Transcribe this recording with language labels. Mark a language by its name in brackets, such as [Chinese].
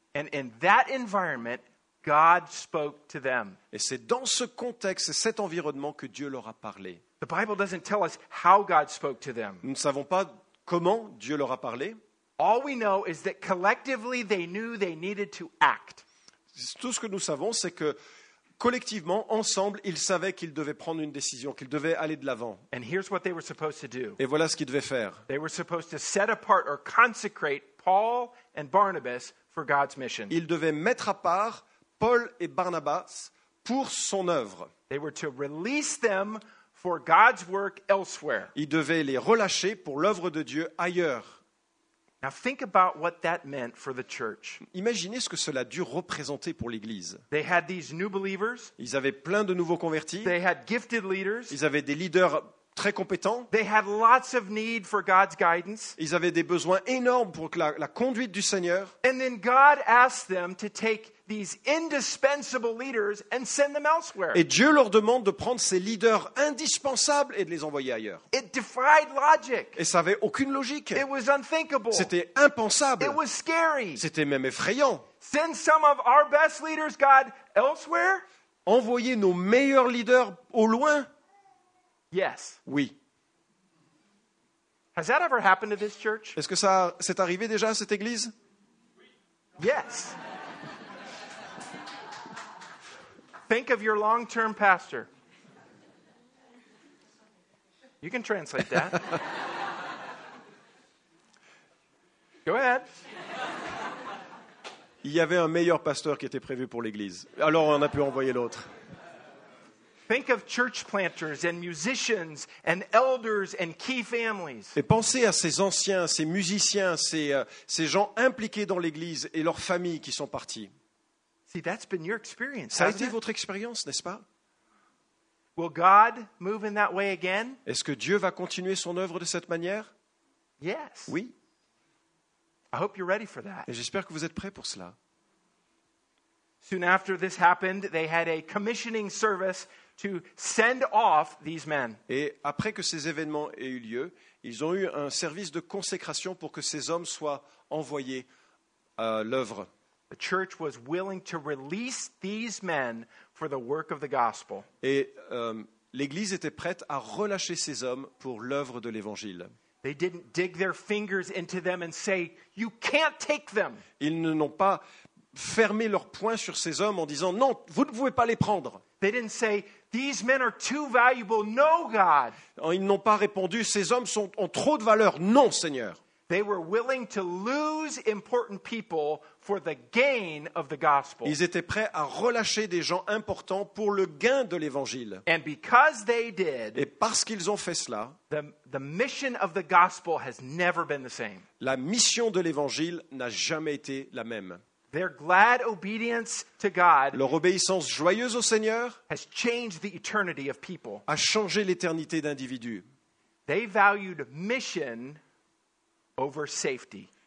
[English] And in that environment, God spoke to them. [French] Et c'est dans ce contexte, cet environnement que Dieu leur a parlé. [English] The Bible doesn't tell us how God spoke to them. [French] Nous ne savons pas comment Dieu leur a parlé. [English] All we know is that collectively they knew they needed to act. [French] Tout ce que nous savons, c'est que collectivement, ensemble, ils savaient qu'ils devaient prendre une décision, qu'ils devaient aller de l'avant. [English] And here's what they were supposed to do. [French] Et voilà ce qu'ils devaient faire. [English] They were supposed to set apart or consecrate Paul and Barnabas for God's mission. [French] Ils devaient mettre à part Paul et Barnabas pour son œuvre. [English] They were to release them for God's work elsewhere. [French] Ils devaient les relâcher pour l'œuvre de Dieu ailleurs. [English] Now think about what that meant for the church. [French] Imaginez ce que cela a dû représenter pour l'église. [English] They had these new believers. [French] Ils avaient plein de nouveaux convertis. [English] They had gifted leaders. [French] Ils avaient des leaders très compétents. [English] They had lots of need for God's guidance. [French] Ils avaient des besoins énormes pour la conduite du Seigneur. [English] And then God asked them to take these indispensable leaders and send them elsewhere. [French] Et Dieu leur demande de prendre ces leaders indispensables et de les envoyer ailleurs. [English] It defied logic. [French] Et ça avait aucune logique. [English] It was unthinkable. [French] C'était impensable. [English] It was scary. [French] C'était même effrayant. [English] Send some of our best leaders, God, elsewhere? [French] Envoyer nos meilleurs leaders au loin? [English] Yes. [French] Oui. [English] Has that ever happened to this church? [French] Est-ce que ça s'est arrivé déjà à cette église? Oui. [English] Yes. Think of your long-term pastor. You can translate that. Go ahead. [French] Il y avait un meilleur pasteur qui était prévu pour l'église. Alors on a pu envoyer l'autre. [English] Think of church planters and musicians and elders and key families. [French] Et pensez à ces anciens, ces musiciens, ces gens impliqués dans l'église et leurs familles qui sont partis. [English] See, that's been your experience. [French] Ça a été votre expérience, n'est-ce pas? [English] Will God move in that way again? [French] Est-ce que Dieu va continuer son œuvre de cette manière? [English] Yes. [French] Oui. [English] I hope you're ready for that. [French] Et j'espère que vous êtes prêts pour cela. [English] Soon after this happened, they had a commissioning service to send off these men. [French] Et après que ces événements aient eu lieu, ils ont eu un service de consécration pour que ces hommes soient envoyés à l'œuvre. [English] The church was willing to release these men for the work of the gospel. [French] Et l'église était prête à relâcher ces hommes pour l'œuvre de l'évangile. [English] They didn't dig their fingers into them and say, "You can't take them." [French] Ils n'ont pas fermé leurs poings sur ces hommes en disant, "Non, vous ne pouvez pas les prendre." [English] They didn't say, "These men are too valuable. No, God." [French] Ils n'ont pas répondu, "Ces hommes ont trop de valeur. Non, Seigneur." [English] They were willing to lose important people for the gain of the gospel. [French] Ils étaient prêts à relâcher des gens importants pour le gain de l'évangile. [English] And because they did, [French] et parce qu'ils ont fait cela, [English] the mission of the gospel has never been the same. [French] La mission de l'évangile n'a jamais été la même. [English] Their glad obedience to God, [French] leur obéissance joyeuse au Seigneur, [English] has changed the eternity of people. [French] A changé l'éternité d'individus. [English] They valued mission over safety.